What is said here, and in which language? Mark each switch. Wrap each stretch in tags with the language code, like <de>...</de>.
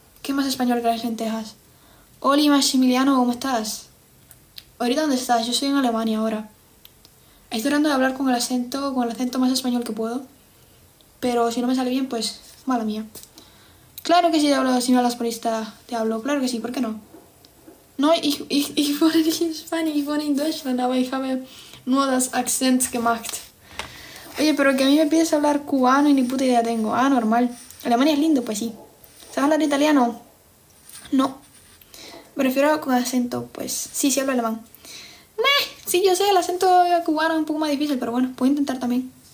<es>¿Qué más español que las lentejas? Oli, Maximiliano, ¿cómo estás? ¿Ahorita dónde estás? Yo soy en Alemania ahora. Estoy tratando de hablar con el acento más español que puedo. Pero si no me sale bien, pues, mala mía. Claro que sí, te hablo, si no hablas por Insta, te hablo. Claro que sí, ¿por qué no?</es> <de>No, ich wohne nicht in Spanien, ich wohne in Deutschland, aber ich habe nur das Akzent gemacht.</de> <es>Oye, pero que a mí me pides hablar cubano y ni puta idea tengo. Ah, normal. Alemania es lindo, pues sí. ¿Sabes hablar italiano? No. Prefiero con acento, pues. Sí, hablo alemán. Sí, yo sé, el acento cubano es un poco más difícil, pero bueno, puedo intentar también.</es>